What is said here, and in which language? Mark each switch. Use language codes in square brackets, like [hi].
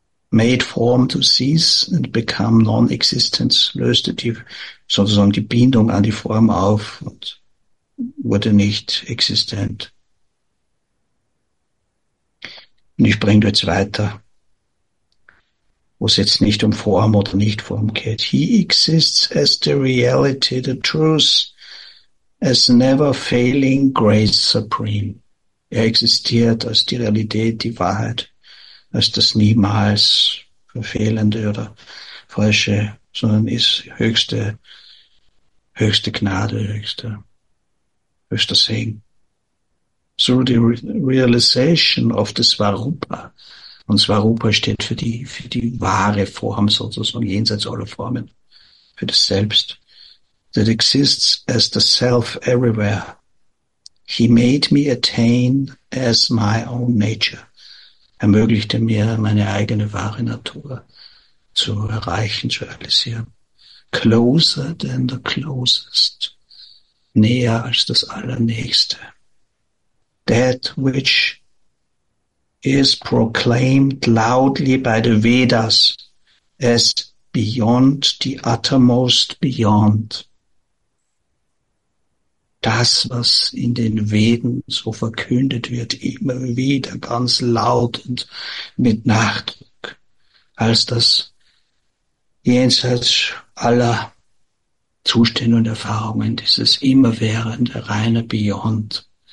[en] Made form to cease and become non-existence, [de] löste die sozusagen die Bindung an die Form auf und wurde nicht existent. Und ich bringe jetzt weiter. Wo es jetzt nicht um Form oder Nicht-Form geht. [en] He exists as the reality, the truth, as never failing grace supreme. [de] Er existiert als die Realität, die Wahrheit, als das niemals verfehlende oder falsche, sondern ist höchste, höchste Gnade, höchster Segen. [en] Through the realization of the Svarupa. [de] Und Svarupa steht für die wahre Form sozusagen, jenseits aller Formen, für das Selbst. [en] That exists as the self everywhere. He made me attain as my own nature. [de] Ermöglichte mir, meine eigene wahre Natur zu erreichen, zu realisieren. [en] Closer than the closest. [de] Näher als das Allernächste. [en] That which is proclaimed loudly by the Vedas as beyond the uttermost beyond. [de] Das, was in den Veden so verkündet wird, immer wieder ganz laut und mit Nachdruck, als das jenseits aller Zustände und Erfahrungen, dieses immerwährende reine Beyond.